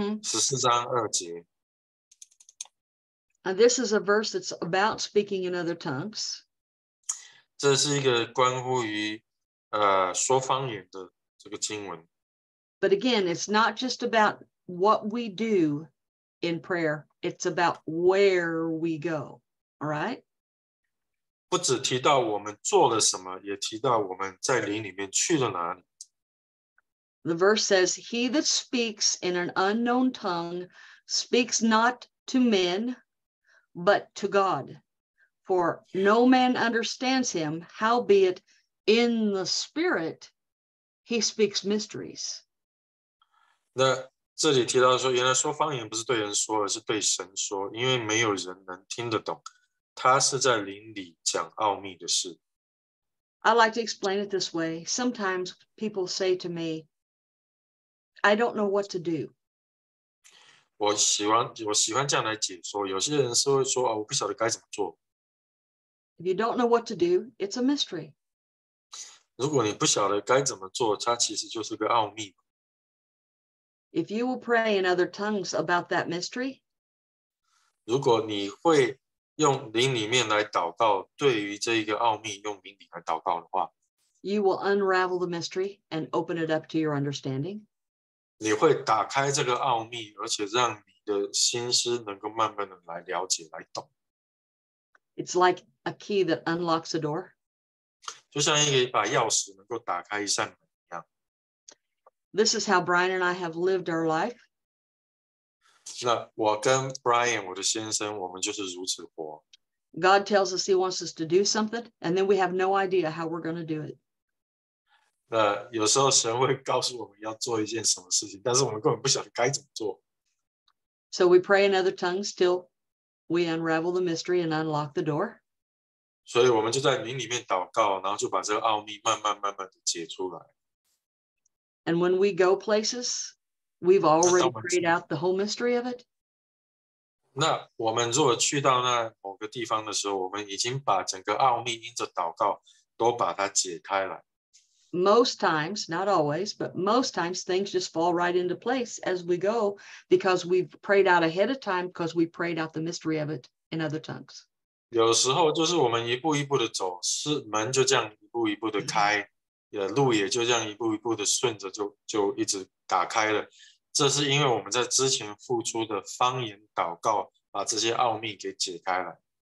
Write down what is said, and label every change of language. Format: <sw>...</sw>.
<en>Mm-hmm. And this is a verse that's about speaking in other tongues.</en> <zh>这是一个关乎于说方言的这个经文。</zh> <en>But again, it's not just about what we do in prayer. It's about where we go, all right?</en> <zh>不只提到我们做了什么，也提到我们在灵里面去了哪里。</zh> <en>The verse says, he that speaks in an unknown tongue speaks not to men, but to God. For no man understands him, howbeit in the spirit he speaks mysteries.</en> <zh>那这里提到说，原来说方言不是对人说，而是对神说，因为没有人能听得懂。他是在灵里讲奥秘的事。</zh> <en>I like to explain it this way. Sometimes people say to me, I don't know what to do.</en> <zh>我喜欢这样来解说。有些人是会说，哦，我不晓得该怎么做。</zh> <en>If you don't know what to do, it's a mystery.</en> <zh>如果你不晓得该怎么做，它其实就是个奥秘。</zh> <en>If you will pray in other tongues about that mystery,</en> <zh>如果你会用灵里面来祷告，对于这一个奥秘用灵里来祷告的话，</zh> <en>you will unravel the mystery and open it up to your understanding.</en> <zh>你会打开这个奥秘，而且让你的心思能够慢慢的来了解，来懂。</zh> <en>It's like a key that unlocks a door.</en> <zh>就像一个把钥匙能够打开一扇门。</zh> <en>This is how Brian and I have lived our life.</en> <zh>那我跟 Brian, 我的先生，我们就是如此活。</zh> <en>God tells us he wants us to do something, and then we have no idea how we're going to do it.</en> <zh>那有时候神会告诉我们要做一件什么事情，但是我们根本不晓得该怎么做。</zh> <en>So we pray in other tongues till we unravel the mystery and unlock the door.</en> <zh>所以我们就在灵里面祷告，然后就把这个奥秘慢慢慢慢地解出来。</zh> <en>And when we go places, we've already prayed out the whole mystery of it.</en> <zh>那我们如果去到那某个地方的时候，我们已经把整个奥秘因着祷告都把它解开了。</zh> <en>Most times, not always, but most times things just fall right into place as we go because we've prayed out ahead of time because we prayed out the mystery of it in other tongues.</en> <zh>有时候就是我们一步一步的走，是门就这样一步一步的开。路也就这样一步一步的顺着 就一直打开了，这是因为我们在之前付出的方言祷告把这些奥秘给解开了。</zh>